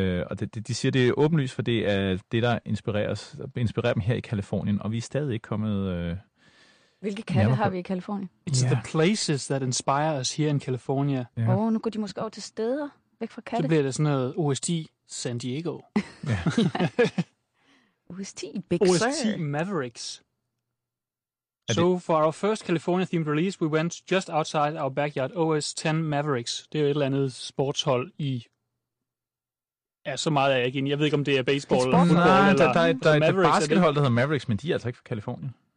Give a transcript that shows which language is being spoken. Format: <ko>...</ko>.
<da>og de siger, det er åbenlyst, for det er det, der inspirerer dem her i Californien. Og vi er stadig ikke kommet... Hvilke katte har vi i Californien?</da> <en>It's the places that inspire us here in California.</en> <da>Åh, nu går de måske over til steder, væk fra katte. Så bliver det sådan noget OST San Diego. OST Big Sur. OST Mavericks.</da> <en>So for our first California-themed release, we went just outside our backyard, OS 10 Mavericks.</en> <da>Det er et eller andet sportshold i... Ja, så meget er jeg ikke ind. Jeg ved ikke, om det er baseball eller football. Nej, der er Mavericks, et baskethold, der hedder Mavericks, men de er altså ikke fra Californien.</da>